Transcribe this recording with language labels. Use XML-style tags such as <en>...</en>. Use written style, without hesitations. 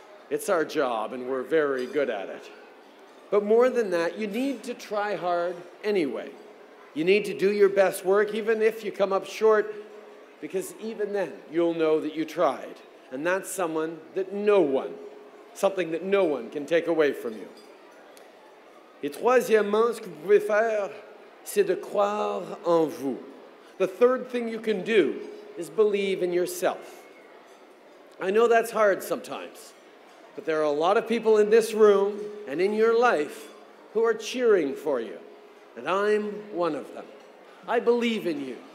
<en>It's our job, and we're very good at it. But more than that, you need to try hard anyway. You need to do your best work, even if you come up short, because even then, you'll know that you tried. And that's someone that no one, something that no one can take away from you.</en> <fr>Et troisièmement, ce que vous pouvez faire, c'est de croire en vous.</fr> <en>The third thing you can do is believe in yourself. I know that's hard sometimes, but there are a lot of people in this room and in your life who are cheering for you, and I'm one of them. I believe in you.</en>